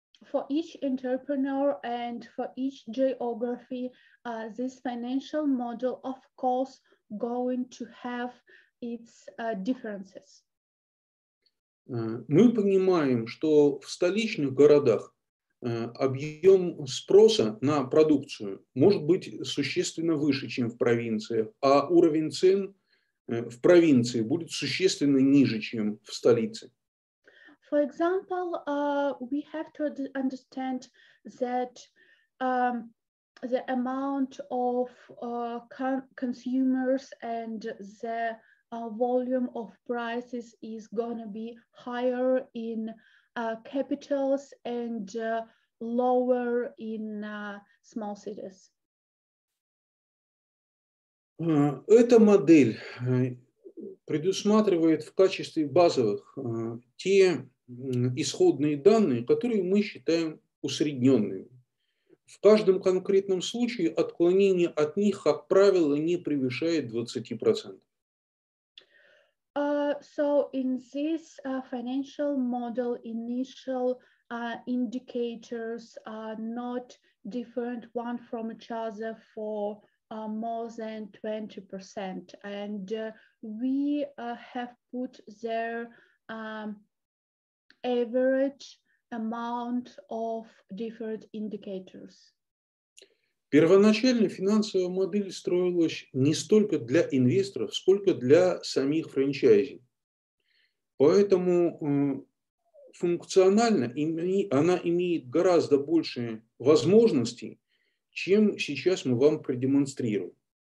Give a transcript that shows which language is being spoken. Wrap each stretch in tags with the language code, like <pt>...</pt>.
<en>For each entrepreneur and for each geography, this financial model, of course, going to have its differences.</en> <ru>Мы понимаем, что в столичных городах объем спроса на продукцию может быть существенно выше, чем в провинциях, а уровень цен в провинции будет существенно ниже, чем в столице.</ru> <en>For example, we have to understand that the amount of consumers and the volume of prices is going to be higher in capitals and lower in small cities.</en> <ru>Эта модель предусматривает в качестве базовых те исходные данные, которые мы считаем усредненными. В каждом конкретном случае отклонение от них, как правило, не превышает 20%.</ru> <en>So in this financial model, initial indicators are not different one from each other for more than 20%. And we have put there average amount of different indicators.</en> <ru>Первоначально финансовая модель строилась не столько для инвесторов, сколько для самих франчайзи. Поэтому функционально она имеет гораздо больше возможностей, чем сейчас мы вам продемонстрируем.</ru>